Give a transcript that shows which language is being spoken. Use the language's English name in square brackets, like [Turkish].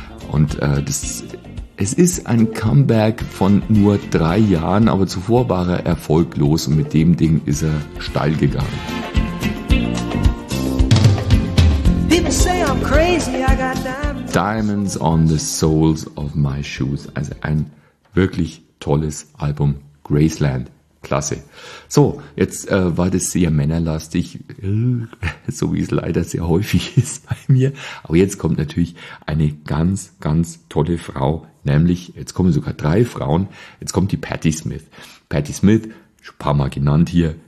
[German] Und es ist ein Comeback von nur 3 Jahren, aber zuvor war er erfolglos und mit dem Ding ist er steil gegangen. [English] People say I'm crazy, I got diamonds. Diamonds on the Soles of My Shoes. [German] Also ein wirklich tolles Album. Graceland. Klasse. So, jetzt war das sehr männerlastig, so wie es leider sehr häufig ist bei mir. Aber jetzt kommt natürlich eine ganz, ganz tolle Frau, nämlich, jetzt kommen sogar 3 Frauen, jetzt kommt die Patti Smith. Patti Smith, schon ein paar Mal genannt hier,